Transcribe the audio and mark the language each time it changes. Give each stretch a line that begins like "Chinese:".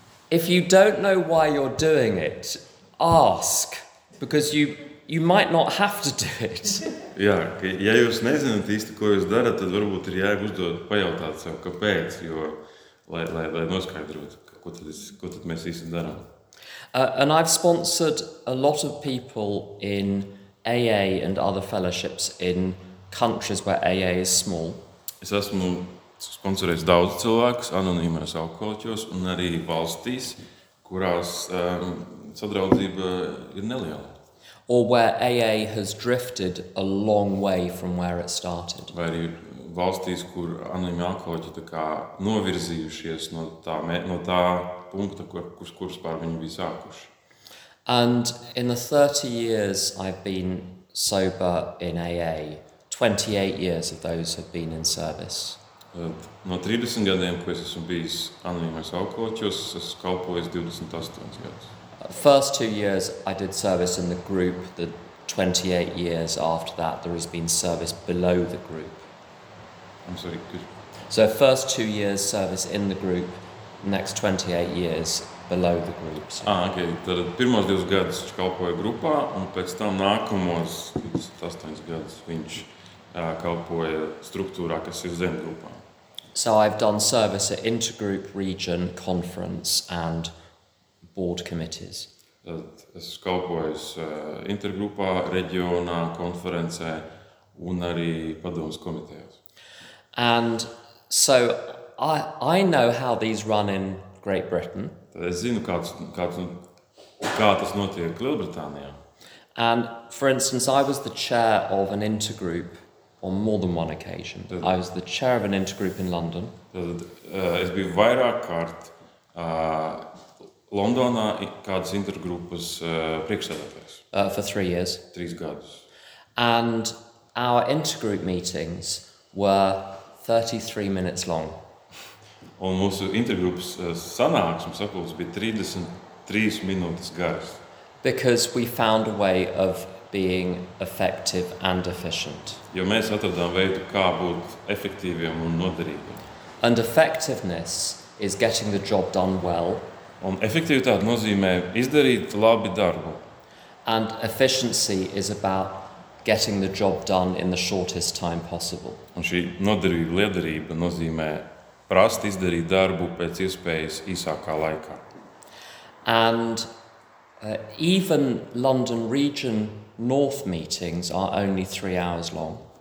English: If you don't know why you're doing it, ask, because you might not have to do it.
Latvian: Jā, ja jūs nezināt īsti, ko jūs darat, tad varbūt ir jēga uzdot pajautāt sev, kāpēc, jo lai noskaidrot, ko tad mēs īsti darām.
English: And I've sponsored a lot of people in AA and other fellowships in countries where AA is small.
Latvian: Es esmu sponsorējis daudz cilvēkus anonīmās alkoholiķos un arī valstīs, kurās sadraudzība ir neliela.
English: Or where AA has drifted a long way from where it started.
Latvian: Vai arī valstīs, kur anonīmi alkoholiķi tā kā novirzījušies no tā punkta, kurs par viņu bija sākuši.
English: And in the 30 years I've been sober in AA, 28 years of those have been in service.
Latvian: No 30 gadiem, ko es esmu bijis anonīmais alkoholiķis, es kalpoju 28 gadus.
English: First 2 years I did service in the group, the 28 years after that there has been service below the group. I'm sorry, could... So first 2 years service in the group, next 28 years below the group. So. Ah, okay.
Latvian: Tad pirmos 2 gadus viņš kalpoja grupā, un pēc tam nākamos 28 gadus viņš kalpoja struktūrā, kas ir zem grupā.
English: So I've done service at intergroup, region, conference and board committees.
Latvian: Es kalpoju intergrupā, reģionā, konferencē un arī padomus komitejās.
English: And so I know how these run in Great Britain.
Latvian: Es zinu, kā tas notiek Lielbritānijā.
English: And for instance, I was the chair of an intergroup on more than one occasion. I was the chair of an intergroup in London.
Latvian: Es biju vairāk kārt Londonā kādas intergrupas priekšsēdētājs.
English: For 3 years.
Latvian: 3 gadus.
English: And our intergroup meetings were 33 minutes long.
Latvian: Un mūsu intergrupas sanāksmes sakulis bija 33 minūtes garas.
English: Because we found a way of being effective and efficient.
Latvian: Jo mēs atradām veidu, kā būt efektīviem un noderīgiem.
English: And effectiveness is getting the job done well.
Latvian: Un efektivitāte nozīmē izdarīt labi darbu.
English: And efficiency is about getting the job done in the shortest time possible.
Latvian: Un šī noderība, liederība nozīmē prast izdarīt darbu pēc iespējas īsākā laikā.
English: And even London region north meetings are only 3 hours long.